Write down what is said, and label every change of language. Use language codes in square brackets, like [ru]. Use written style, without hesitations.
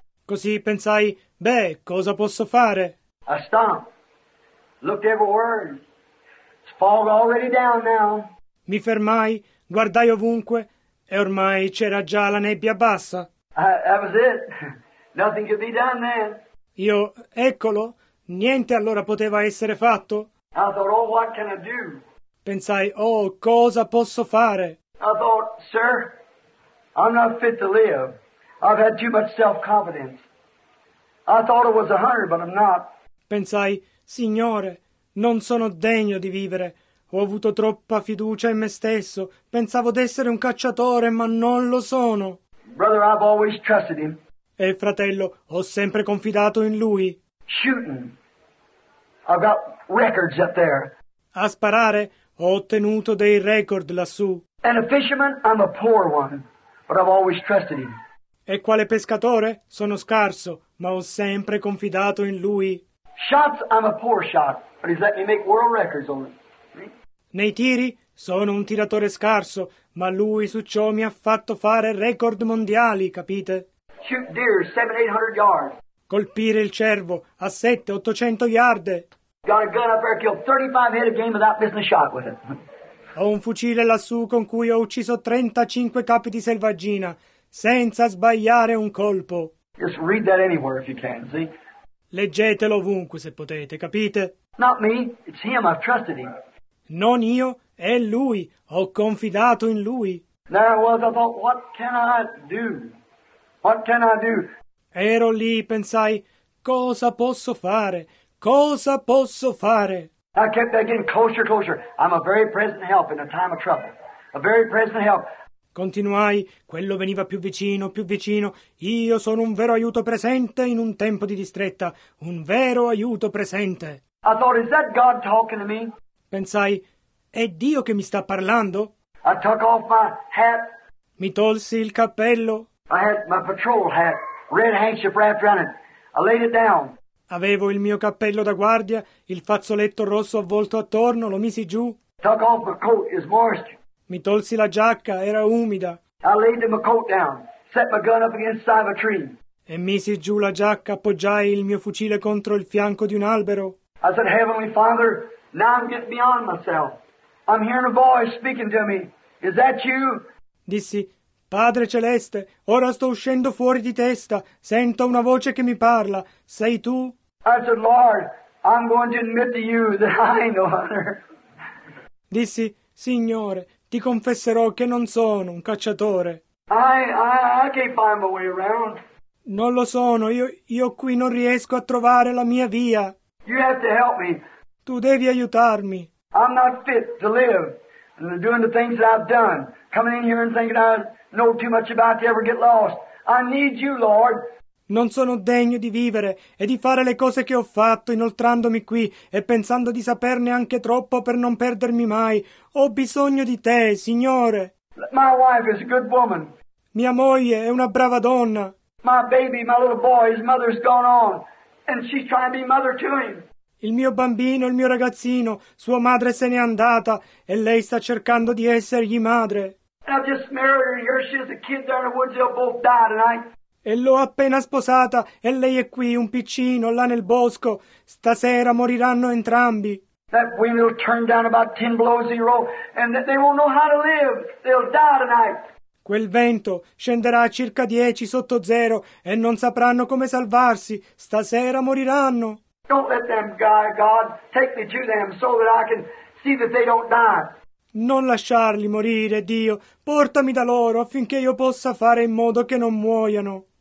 [it] Così pensai, beh, cosa posso fare? [en] I stopped, looked everywhere, it's fog already down now. [it] Mi fermai, guardai ovunque e ormai c'era già la nebbia bassa. [en] That was it. Nothing could be done then. [it] Io, eccolo, niente allora poteva essere fatto. [en] I thought, oh, what can I do? [it] Pensai, oh, cosa posso fare? [en] I thought, sir, I'm not fit to live. I've had too much self-confidence. I thought I was a hunter, but I'm not. [it] Pensai, signore, non sono degno di vivere. Ho avuto troppa fiducia in me stesso. Pensavo d'essere un cacciatore, ma non lo sono. [en] Brother, I've always trusted him. [it] E fratello, ho sempre confidato in lui. [en] Shooting. I've got records up there. [it] A sparare, ho ottenuto dei record lassù. [en] And a fisherman, I'm a poor one, but I've always trusted him. [it] E quale pescatore? Sono scarso, ma ho sempre confidato in lui. [en] Shots, I'm a poor shot, but he's let me make world records on it. [it] Nei tiri, sono un tiratore scarso, ma lui su ciò mi ha fatto fare record mondiali, capite? [en] Shoot deer, 700-800 yards. [it] Colpire il cervo a 700-800 yard. [en] Got a gun up there, killed 35 head of game without missing a shot with it. [it] Ho un fucile lassù con cui ho ucciso 35 capi di selvaggina senza sbagliare un colpo. [en] Just read that anywhere if you can, see? [it] Leggetelo ovunque se potete, capite? [en] Not me, it's him, I've trusted him. [it] Non io, è lui, ho confidato in lui. [en] There I was, I thought, what can I do? What can I do? [it] Ero lì, pensai, cosa posso fare? Cosa posso fare? [en] I kept getting closer, closer. I'm a very present help in a time of trouble. A very present help. [it] Continuai, quello veniva più vicino, più vicino. Io sono un vero aiuto presente in un tempo di distretta. Un vero aiuto presente. [en] I thought, is that God talking to me? [it] Pensai, è Dio che mi sta parlando? [en] I took off my hat. [it] Mi tolsi il cappello. [en] I had my patrol hat, red handkerchief wrapped around it. I laid it down. [it] Avevo il mio cappello da guardia, il fazzoletto rosso avvolto attorno, lo misi giù. [en] Took off my coat, it's moist. [it] Mi tolsi la giacca, era umida. [en] I laid my coat down, set my gun up against the side of a tree. [it] E misi giù la giacca, appoggiai il mio fucile contro il fianco di un albero. [en] I said, Heavenly Father, now I'm getting beyond myself. I'm hearing a voice speaking to me. Is that you? [it] Dissi, Padre Celeste, ora sto uscendo fuori di testa. Sento una voce che mi parla. Sei tu? [en] I said, Lord, I'm going to admit to you that I ain't no hunter. [it] Dissi, Signore, ti confesserò che non sono un cacciatore. [en] I can't find my way around. [it] Non lo sono, io qui non riesco a trovare la mia via. [en] You have to help me. [it] Tu devi aiutarmi. [en] I'm not fit to live and doing the things that I've done. Coming in here and thinking I know too much about to ever get lost. I need you, Lord. [it] Non sono degno di vivere e di fare le cose che ho fatto inoltrandomi qui e pensando di saperne anche troppo per non perdermi mai. Ho bisogno di te, Signore. [en] My wife is a good woman. [it] Mia moglie è una brava donna. [en] My baby, my little boy, his mother's gone on and she's trying to be mother to him. [it] Il mio bambino, il mio ragazzino, sua madre se n'è andata e lei sta cercando di essergli madre. [en] I just married her. Here she is, a kid down in the woods. They'll both die tonight. [it] E l'ho appena sposata e lei è qui, un piccino, là nel bosco. Stasera moriranno entrambi. [en] That wind will turn down about 10 below 0 and they won't know how to live. They'll die tonight. [it] Quel vento scenderà a circa 10 sotto 0 e non sapranno come salvarsi. Stasera moriranno. [en] Don't let them die, God. Take me to them so that I can see that they don't die. [it] Non lasciarli morire, Dio. Portami da loro affinché io possa fare in modo che non muoiano.